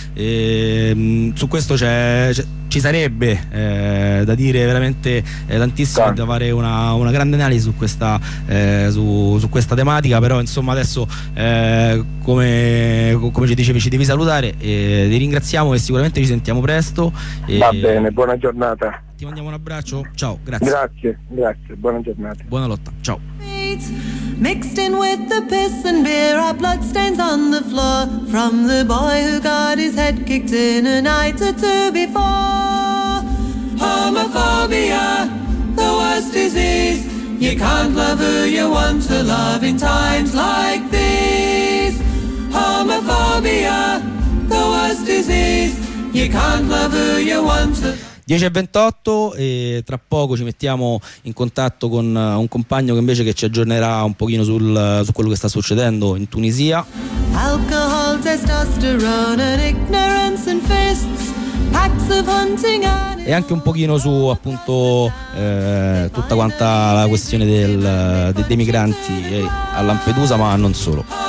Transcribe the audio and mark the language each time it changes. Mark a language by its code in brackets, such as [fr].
[it] E su questo ci sarebbe da dire veramente tantissimo, da fare una grande analisi su questa su questa tematica, però insomma adesso come ci dicevi ci devi salutare, ti ringraziamo e sicuramente ci sentiamo presto. Va bene, buona giornata. Ti mandiamo un abbraccio, ciao, grazie. Grazie, buona giornata. Buona lotta, ciao. [en] Mixed in with the piss and beer, our blood stains on the floor, from the boy who got his head kicked in a night or two before. Homophobia, the worst disease, you can't love who you want to love in times like these. Homophobia, the worst disease, you can't love who you want to [it] 10:28 e tra poco ci mettiamo in contatto con un compagno che invece ci aggiornerà un pochino su quello che sta succedendo in Tunisia. [en] Alcohol, testosterone, and ignorance and fists, packs of hunting animals, [it] e anche un pochino su appunto tutta quanta la questione dei migranti a Lampedusa, ma non solo.